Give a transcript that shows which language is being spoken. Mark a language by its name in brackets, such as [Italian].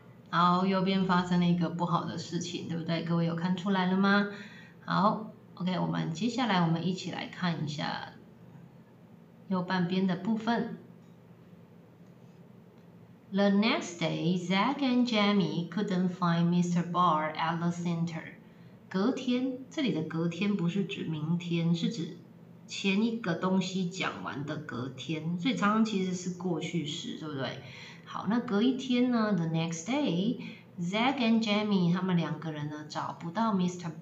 [Chinese] 好，右边发生了一个不好的事情，对不对？各位有看出来了吗？好 ，OK， 我们接下来我们一起来看一下右半边的部分。 [English] The next day, Zach and Jamie couldn't find Mr. Barr at the center. [Chinese] 隔天，这里的隔天不是指明天，是指前一个东西讲完的隔天，所以常常其实是过去式，对不对？好，那隔一天呢 ？ [English] The next day, Zach and Jamie [Chinese] 他们两个人呢找不到 Mr.